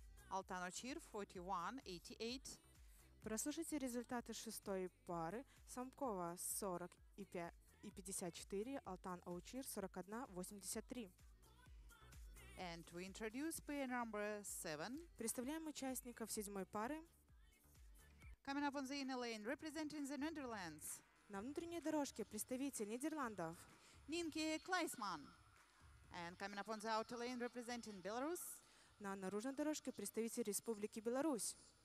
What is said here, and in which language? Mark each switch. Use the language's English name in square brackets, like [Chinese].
[Russian] Алтаночир 41-88. Прослушайте результаты шестой пары. Самкова 40-54. Алтаночир 41-83. [English] And we introduce pair number 7. [Russian] Представляем участников седьмой пары. [English] Coming up on the inner lane, representing the Netherlands. [Russian] На внутренней дорожке представитель Нидерландов. [English] Нинке Клайсман. And coming up on the outer lane representing Belarus. [Russian] На наружной дорожке представитель Республики Беларусь.